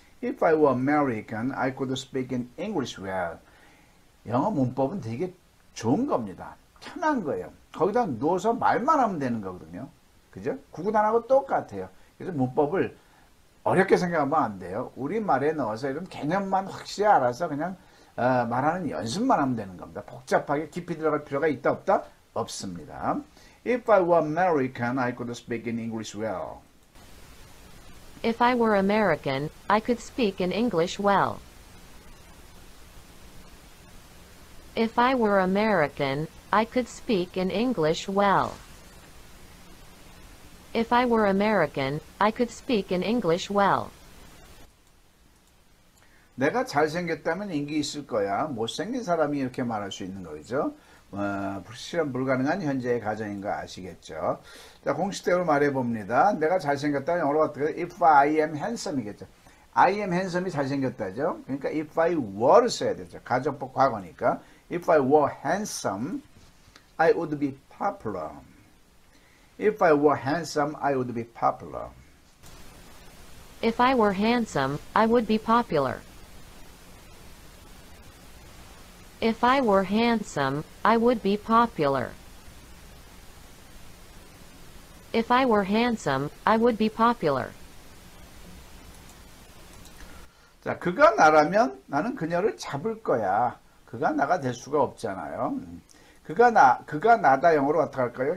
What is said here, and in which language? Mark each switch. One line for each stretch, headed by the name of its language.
English: If I were American, I could speak in English well.
Korean: 영어 문법은 되게 좋은 겁니다. 편한 거예요. 거기다 누워서 말만 하면 되는 거거든요. 그죠? 구구단하고 똑같아요. 그래서 문법을 어렵게 생각하면 안 돼요. 우리말에 넣어서 이런 개념만 확실히 알아서 그냥 말하는 연습만 하면 되는 겁니다. 복잡하게 깊이 들어갈 필요가 있다 없다? 없습니다.
English: If I were American, I could speak in English well. If I were American, I could speak in English well. If I were American, I could speak in English well. If I were American, I could speak in English well.
Korean: 내가 잘생겼다면 인기 있을 거야. 못생긴 사람이 이렇게 말할 수 있는 거죠. 실현 불가능한 현재의 가정인 거 아시겠죠? 자, 공식대로 말해봅니다. 내가 잘생겼다면 영어로 어떻게 돼?
English: If I am handsome
Korean: 이겠죠.
English: I am handsome
Korean: 이 잘생겼다죠? 그러니까 if I were 써야 되죠. 가정법 과거니까.
English: If I were handsome, I would be popular. If I were handsome, I would be popular. If I were handsome, I would be popular. If I were handsome, I would be popular. If I were handsome, I would be popular.
Korean: 자, 그가 나라면 나는 그녀를 잡을 거야. 그가 나가 될 수가 없잖아요. 그가 나다 영어로 어떻게 할까요?